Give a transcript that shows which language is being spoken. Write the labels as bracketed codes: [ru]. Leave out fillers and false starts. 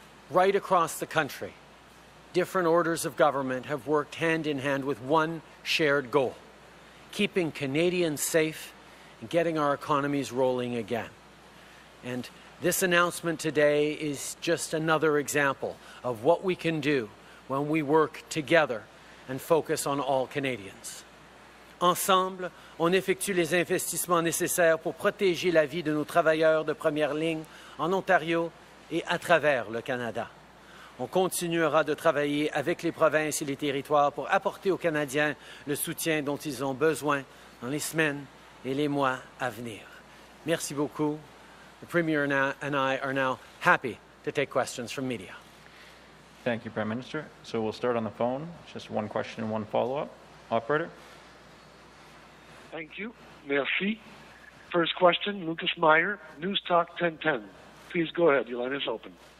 [en] Right across the country, different orders of government have worked hand in hand with one shared goal: keeping Canadians safe and getting our economies rolling again. And this announcement today is just another example of what we can do when we work together and focus on all Canadians. [fr] Ensemble, on effectue les investissements nécessaires pour protéger la vie de nos travailleurs de première ligne en Ontario et à travers le Canada. On continuera de travailler avec les provinces et les territoires pour apporter aux Canadiens le soutien dont ils ont besoin dans les semaines et les mois à venir. Merci beaucoup. [en] The Premier and I are now happy to take questions from media. Thank you, Prime Minister. So we'll start on the phone. Just one question and one follow-up. Operator. Thank you. Merci. First question, Lucas Meyer, News Talk 1010. Please go ahead. Your line is open.